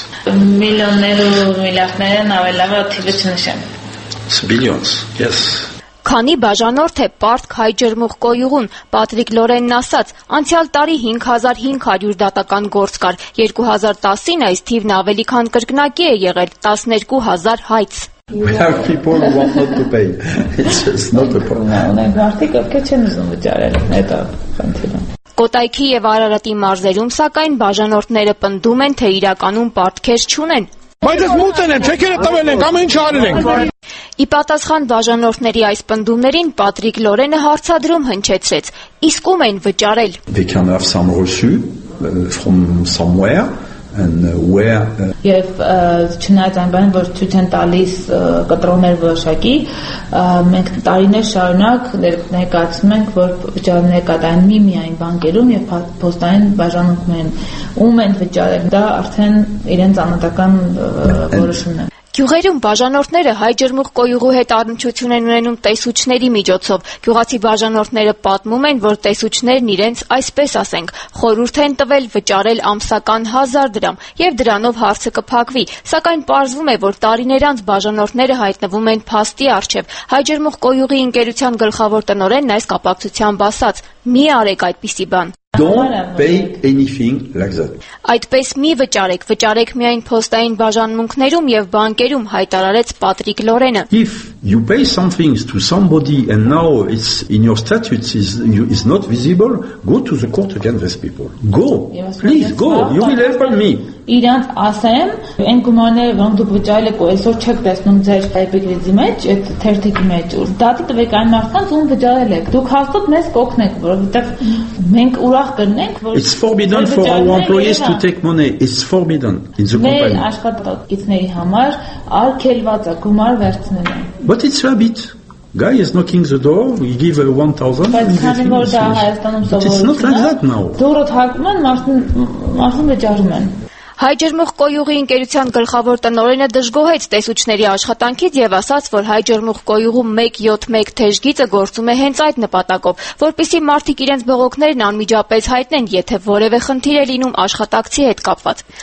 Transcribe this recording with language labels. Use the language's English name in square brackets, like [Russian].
[Armenian] ունեն ըստ Հայ Ջրմուխ Կոյուղու տվյալների։ Քանի բաժանորդ է պարտք Հայ Ջրմուխ Կոյուղուն, Պատրիկ Լորենն ասաց, անցյալ տարի 5,500 դատական գործ կար, 2010-ին այս թիվն ավելի քան կրկնակի է եղել 12,000 հայց։ [English] We have people who want not to pay. It's just not a problem. [Armenian] Մարդիկ ովքեր չեն ուզում վճարել, հետո խնդիրը։ Կոտայքի և Արարատի մարզերում, սակայն, բաժանորդները պնդում են, թե իրականում պարտքեր չունեն։ Բայց ես մուծեն եմ, չեքերը տվել ենք, ամեն ինչ արել ենք։ Ի պատասխան բաժանորդների այս պնդումներին Պատրիկ Լորենը հարցադրում հնչեցրեց. Իսկ ում են վճարել։ [English] They can have some reçu from somewhere and where. [Armenian] Եվ չնայած այն բանը, որ ցույց են տալիս կտրոններ որոշակի, մենք տարիներ շարունակ ներկայացնում ենք, որ վճարներ կատարեն միայն բանկերում եւ փոստային բաժանորդներին։ Ում են վճարել, դա արդեն իրենց անհատական որոշումն է։ Գյուղերում բաժանորդները Հայ Ջրմուխ Կոյուղու հետ առնչություն են ունենում տեսուչների միջոցով։ Գյուղացի բաժանորդները պատմում են, որ տեսուչներն իրենց, այսպես ասենք, խորհուրդ են տվել վճարել ամսական 1000 դրամ, եւ դրանով հարցը կփակվի, սակայն պարզվում է, որ տարիներ անց բաժանորդները հայտնվում են փաստի առջև։ Հայ Ջրմուխ Կոյուղի ընկերության գլխավոր տնօրենն այս կապակցությամբ ասաց. «Մի արեք այդպիսի բան»։ [English] Don't pay anything like that. [Armenian] Այդպես մի վճարեք, վճարեք միայն փոստային բաժանմունքներում եւ բանկերում, հայտարարեց Պատրիկ Լորենը։ [English] If you pay something to somebody and now it's in your statutes is not visible, go to the court against these people. Go. Please go. You will help me. [Armenian] Իրանց ասեմ, այն գումարները, որոնք դուք վճարել եք, այսօր չեք տեսնում ձեր հայպիկրիզի մեջ, այդ թերթիկի մեջ, ու դատի տվեք այն մարդկանց, ում վճարել եք, դուք հաստատ մեզ կօգնեք, որովհետև մենք ուրախ կլինենք, որ [English] It's forbidden for our employees to take money. It's forbidden in the company. [Armenian] Մեր աշխատակիցների համար արգելված է գումար վերցնելը։ [English] But it's a bit. Guy is knocking the door, he give a 1000. But it's not like that now. [Armenian] Դուրս հակում են, մարդը վճարում են։ Հայ Ջրմուխ Կոյուղի ընկերության գլխավոր տնօրենը դժգոհեց տեսուչների աշխատանքից եւ ասաց, որ Հայ Ջրմուխ Կոյուղու 171 թեժգիծը գործում է հենց այդ նպատակով, որպեսզի մարդիկ իրենց բողոքներն անմիջապես հայտնեն, եթե որևէ խնդիր է լինում աշխատակցի հետ կապված։